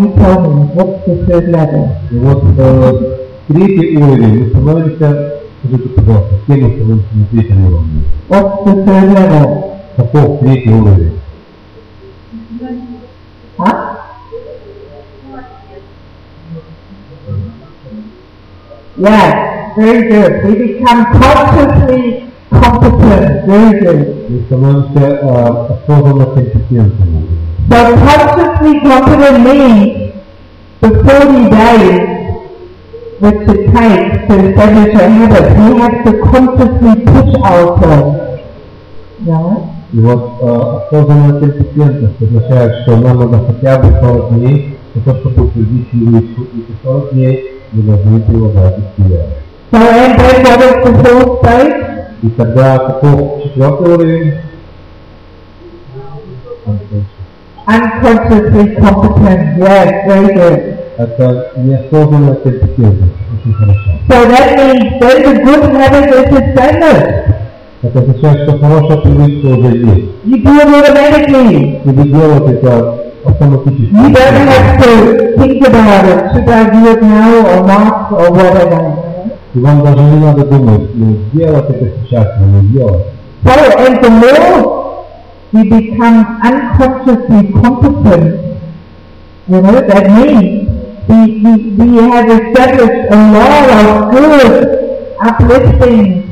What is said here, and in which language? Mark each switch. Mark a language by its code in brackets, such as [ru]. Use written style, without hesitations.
[en] You tell me, what's the third level? [ru] И вот третий уровень, мы становимся, скажите, пожалуйста, с кем мы становимся на третьем уровне? [en] What's the third level? [ru] Каков третий уровень? [en] Yes, very good. We become consciously competent. Very good. So consciously competent means the 40 days which it takes to establish our habits. We have to consciously push ourselves. Yeah. [ru] И вот осознанная компетентность означает, что нам надо хотя бы 40 дней, но то, чтобы утвердить силу и 40 дней, мы должны прилагать усилия. [en] So, and then what is the fourth stage? [ru] И тогда каков четвертый уровень? [en] Unconsciously competent. Yes, very good. [ru] Это неосознанная компетентность. Очень хорошо. [en] So that means that the good habit is established. [ru] Это означает, что хорошая привычка уже есть. [en] You do it automatically. [ru] И вы делаете это автоматически. [en] You don't have to think about it. Should I do it now or not or whatever? [ru] И вам даже не надо думать, ну, сделать это сейчас или не делать. [en] So, and the more we become unconsciously competent, you know, that means we have established a lot of good uplifting